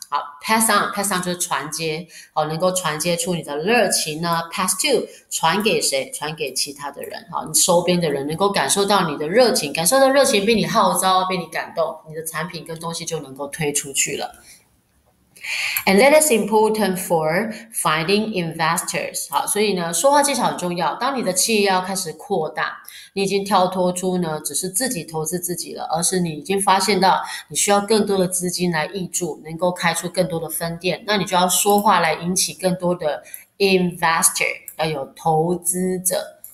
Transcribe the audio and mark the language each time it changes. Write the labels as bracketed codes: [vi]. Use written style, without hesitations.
[zh] 好，pass on 就是传接，哦，能够传接出你的热情呢，pass to 传给谁？传给其他的人，好，你周边的人能够感受到你的热情，感受到热情被你号召，被你感动，你的产品跟东西就能够推出去了。 [en] And that is important for finding investors。 [zh] 好，所以呢，说话技巧很重要。当你的企业要开始扩大，你已经跳脱出呢，只是自己投资自己了，而是你已经发现到你需要更多的资金来挹注，能够开出更多的分店，那你就要说话来引起更多的 investor，要有投资者。